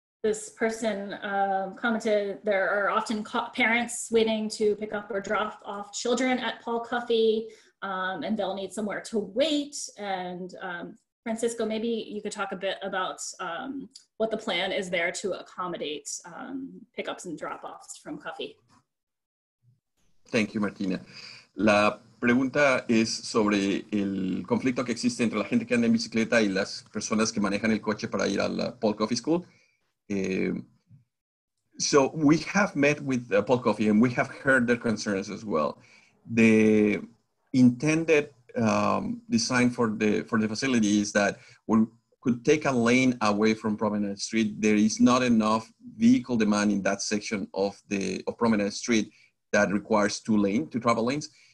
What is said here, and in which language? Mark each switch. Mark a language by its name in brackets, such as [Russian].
[English] This person commented, there are often parents waiting to pick up or drop off children at Paul Cuffee, and they'll need somewhere to wait. And Francisco, maybe you could talk a bit about what the plan is there to accommodate pickups and drop-offs from Cuffee. Thank you, Martina. [Spanish] La pregunta es sobre el conflicto que existe entre la gente que anda en bicicleta y las personas que manejan el coche para ir a la Paul Cuffee School. [English] So we have met with Paul Cuffee and we have heard their concerns as well. The intended design for the facility is that we could take a lane away from Promenade Street. There is not enough vehicle demand in that section of Promenade Street that requires two travel lanes.